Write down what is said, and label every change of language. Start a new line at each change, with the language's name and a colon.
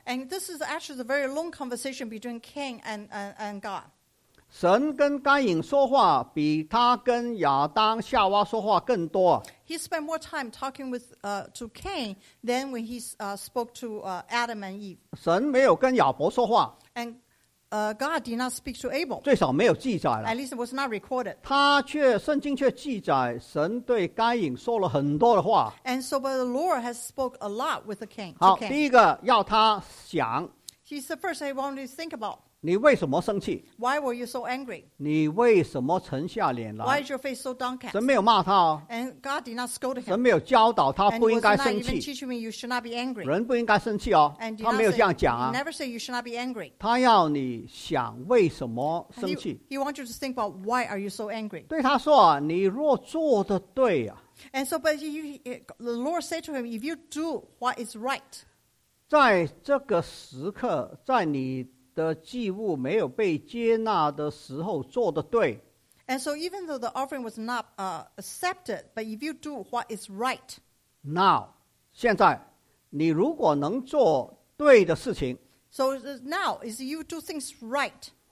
English: And this is actually a very long conversation between Cain and God.
Chinese: 神跟该隐说话比他跟亚当夏娃说话更多。
English: He spent more time talking with to Cain than when he spoke to Adam and Eve.
Chinese: 神没有跟亚伯说话。
English: And God did not speak to Abel.
Chinese: 最少没有记载了,
English: at least it was not recorded.
Chinese: 他却, 圣经却记载, 神对该隐说了很多的话。
English: And so but the Lord has spoke a lot with the king.
Chinese: 好,
English: to Cain.
Chinese: 第一个, 要他想,
English: he's the first he wanted to think about.
Chinese: 你为什么生气?
English: Why were you so angry?
Chinese: 你为什么沉下脸来?
English: Why is your face so downcast?
Chinese: 神没有骂他哦,
English: and God did not scold him.
Chinese: 神没有教导他不应该生气。
English: And he was not even teaching me you should not be angry.
Chinese: 人不应该生气哦,
English: and he did not say, he never say you should not be angry.
Chinese: 他要你想为什么生气。
English: He wants you to think about why are you so angry.
Chinese: 对他说啊, 你若做得对啊,
English: and so but the Lord said to him, if you do what is right,
Chinese: 在这个时刻, 在你 的祭物没有被接纳的时候做得对。
English: And so even though the offering was not accepted, but if you do what is right,
Chinese: now, 现在, 你如果能做对的事情,
English: so now is you do things right,